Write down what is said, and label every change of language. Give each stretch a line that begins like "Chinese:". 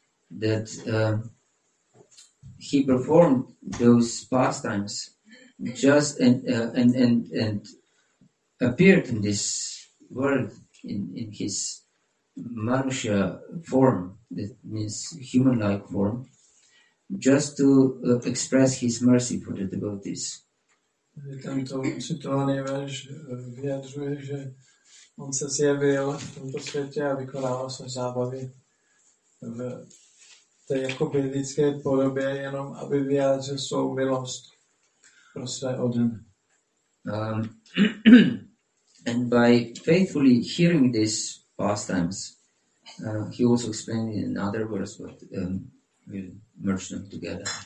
English: That he performed those pastimes just and appeared in this world in his manusha form, that means human-like form, just to express his mercy for the devotees.
Czech: Je tam to citovaný verš, vyjadřuje, že on se zjevil v tomto světě a vykonával své zábavy v té jakoby lidské podobě, jenom aby vyjádřil svou milost pro své oddané.
English: And by faithfully hearing these pastimes, he also explained in another verse, but we'll merge them together.